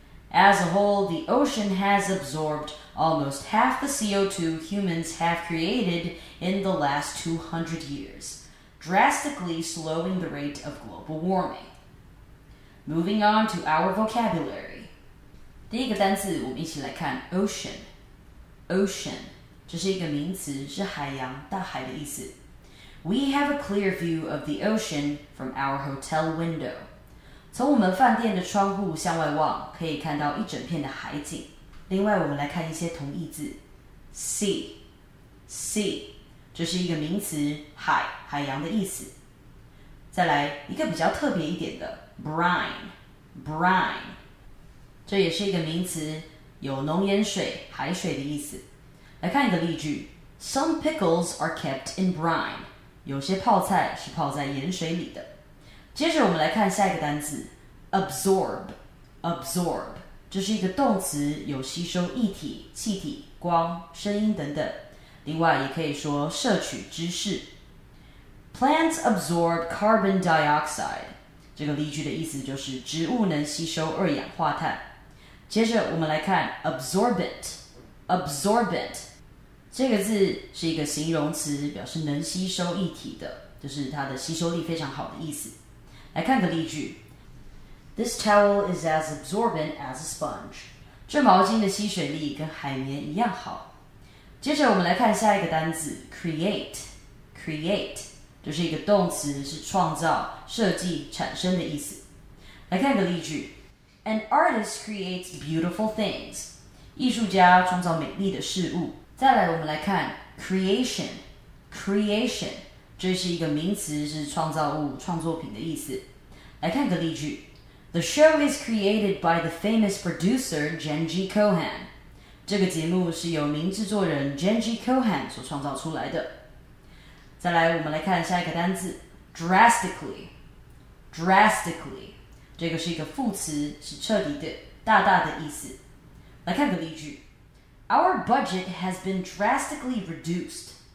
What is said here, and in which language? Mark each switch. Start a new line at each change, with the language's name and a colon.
English: As a whole, the ocean has absorbed almost half the CO2 humans have created in the last 200 years, drastically slowing the rate of global warming. Moving on to our vocabulary.
Chinese: 第一个单词我们一起来看 ocean. Ocean, 这是一个名词, 是海洋, 大海的意思。
English: We have a clear view of the ocean from our hotel window.
Chinese: 从我们饭店的窗户向外望, 可以看到一整片的海景。另外我们来看一些同义字 Sea Sea 这是一个名词 海, 海洋的意思 再来一个比较特别一点的 Brine Brine 这也是一个名词 有浓盐水, 海水的意思 来看一个例句
English: Some pickles are kept in brine
Chinese: 有些泡菜是泡在盐水里的 接着我们来看下一个单词 Absorb Absorb 这是一个动词, 有吸收液体, 气体, 光, 声音等等, 另外也可以说摄取知识。
English: Plants absorb carbon dioxide.
Chinese: 这个例句的意思就是植物能吸收二氧化碳。接着我们来看 absorbent, absorbent. 这个字是一个形容词, 表示能吸收液体的, 就是它的吸收力非常好的意思。来看个例句。
English: This towel is as absorbent as a sponge.
Chinese: 这毛巾的吸水力跟海绵一样好。接着我们来看下一个单词 create. Create 这是一个动词，是创造、设计、产生的意思。来看个例句
English: An artist creates beautiful things.
Chinese: 艺术家创造美丽的事物。再来我们来看 creation. Creation 这是一个名词，是创造物、创作品的意思。来看个例句
English: The show is created by the famous producer Genji Kohan.
Chinese: 这个节目是由名制作人 Genji Kohan 所创造出来的。再来，我们来看下一个单词 drastically. Drastically 这个是一个副词，是彻底的、大大的意思。来看个例句
English: Our budget has been drastically reduced.